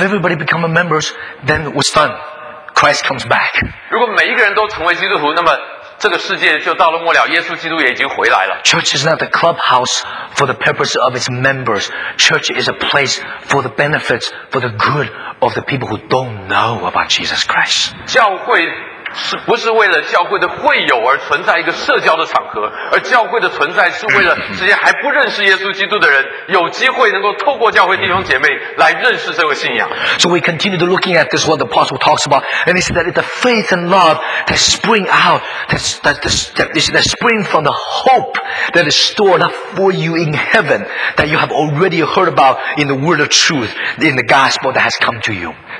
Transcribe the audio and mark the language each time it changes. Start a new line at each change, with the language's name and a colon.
English: everybody become a member, then what's done? Christ comes back.
Chinese: 如果每一个人都成为基督徒，那么这个世界就到了末了，耶稣基督也已经回来了。
English: Church is not a clubhouse for the purpose of its members. Church is a place for the benefits, for the good of the people who don't know about Jesus Christ.
Chinese: 教会不是为了教会的会友而存在一个社交的场合，而教会的存在是为了这些还不认识耶稣基督的人有机会能够透过教会弟兄姐妹来认识这位信仰。
English: So we continue to looking at this, what the apostle talks about, and he said that it's the faith and love that spring out, that spring from the hope that is stored up for you in heaven, that you have already heard about in the word of truth, in the gospel that has come to you.